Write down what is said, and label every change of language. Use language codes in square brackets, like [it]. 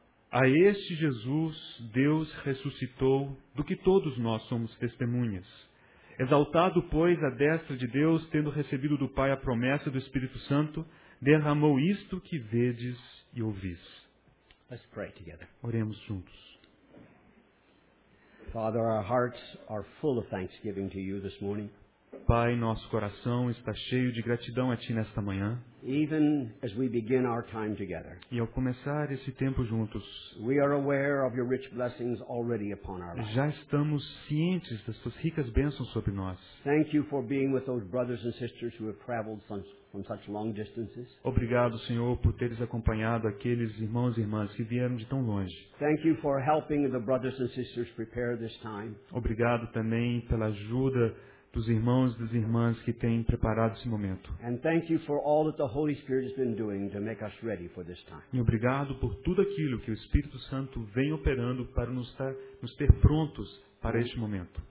[pt] A este Jesus Deus ressuscitou, do que todos nós somos testemunhas. Exaltado, pois, à destra de Deus, tendo recebido do Pai a promessa do Espírito Santo, derramou isto que vedes e ouvis. [en] Let's pray together. [pt] Oremos juntos. [en] Father, our hearts are full of thanksgiving to you this morning. [pt] Pai, nosso coração está cheio de gratidão a Ti nesta manhã. [en] Even as we begin our time together, [pt] e ao começar esse tempo juntos, [en] we are aware of your rich blessings already upon our lives. [pt] Já estamos cientes das Tuas ricas bênçãos sobre nós. [en] Thank you for being with those brothers and sisters who have traveled from such long distances. [pt] Obrigado, Senhor, por teres acompanhado aqueles irmãos e irmãs que vieram de tão longe. [en] Thank you for helping the brothers and sisters prepare this time. [pt] Obrigado também pela ajuda dos irmãos e das irmãs que têm preparado esse momento. [en] And thank you for all that the Holy Spirit has been doing to make us ready for this time. [pt] E obrigado por tudo aquilo que o Espírito Santo vem operando para nos ter prontos para este momento.